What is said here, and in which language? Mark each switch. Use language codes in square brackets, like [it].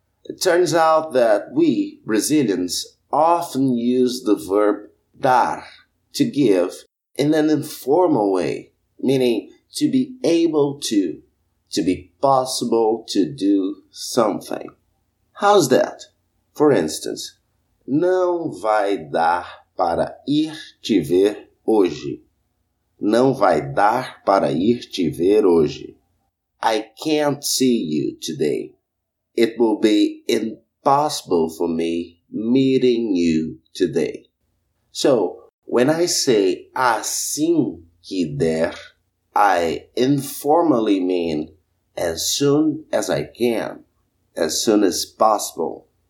[en] It turns out that we, Brazilians, often use the verb dar, to give, in an informal way, meaning to be able to be possible to do something. How's that? For instance, [pt] não vai dar para ir te ver hoje. Não vai dar para ir te ver hoje. [en] I can't see you today. It will be impossible for me meeting you today. So, when I say [pt] assim que der, [en] I informally mean as soon as I can, as soon as possible.